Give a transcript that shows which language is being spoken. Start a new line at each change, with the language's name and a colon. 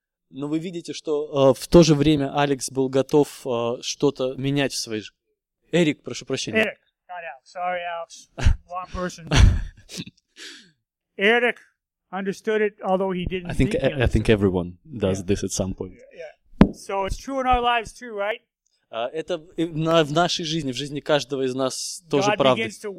Russian: Но вы видите, что в то же время Алекс был готов что-то менять в своей жизни. Эрик, прошу прощения.
English: Эрик, not Alex. Sorry, Alex. Wrong person. Эрик understood it, although he didn't. I think everyone does this at some point. So it's true in our lives too, right?
Russian: Это в нашей жизни, в жизни каждого из нас тоже правда.